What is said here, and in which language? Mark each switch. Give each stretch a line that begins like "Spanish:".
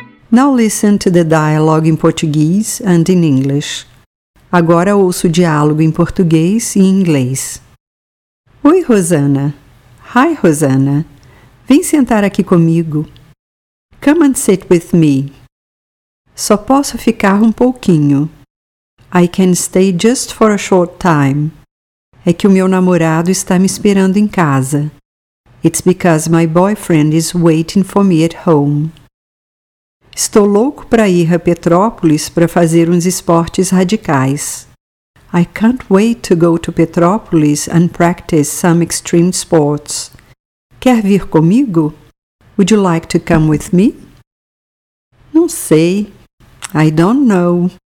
English: Now listen to the dialogue in Portuguese and in English.
Portuguese: Agora ouço o diálogo em português e em inglês. Oi, Rosana.
English: Hi, Rosana.
Portuguese: Vem sentar aqui comigo.
English: Come and sit with me.
Portuguese: Só posso ficar um pouquinho.
English: I can stay just for a short time.
Portuguese: É que o meu namorado está me esperando em casa.
English: It's because my boyfriend is waiting for me at home.
Portuguese: Estou louco para ir a Petrópolis para fazer uns esportes radicais.
English: I can't wait to go to Petrópolis and practice some extreme sports.
Portuguese: Quer vir comigo?
English: Would you like to come with me?
Portuguese: Não sei.
English: I don't know.